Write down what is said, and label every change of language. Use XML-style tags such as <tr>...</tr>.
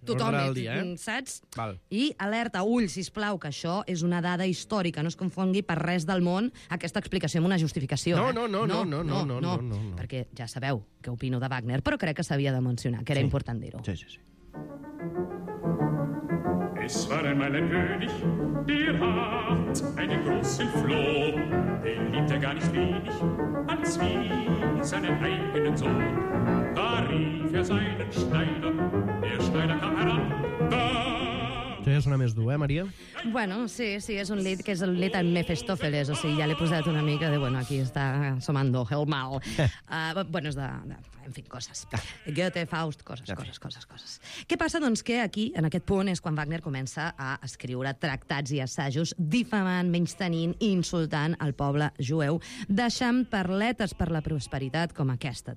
<ca>tothom, dia, saps? Val. I alerta, ull, sisplau, que això és una dada històrica. No es confongui per res del món aquesta explicació amb una justificació. No. Perquè ja sabeu què opino de Wagner, però crec que s'havia de mencionar, que era important dir-ho. Sí.</ca> <de>Es war einmal ein König, der hat einen großen Floh. Den liebt gar nicht wenig, als wie seinen eigenen Sohn. Da rief seinen Schneider, der Schneider kam heran, da...</de> <ca>Això ja sona més dur, Maria? Bueno, sí, és un lit que és el lit en Mefistòfeles, o sigui, ja l'he posat una mica de, bueno, aquí està somando el mal. bueno, és de en fi, coses. Goethe, Faust, coses. Què passa, doncs, que aquí, en aquest punt, és quan Wagner comença a escriure tractats i assajos difamant, menystenint i insultant el poble jueu, deixant perletes per la prosperitat com aquesta.</ca>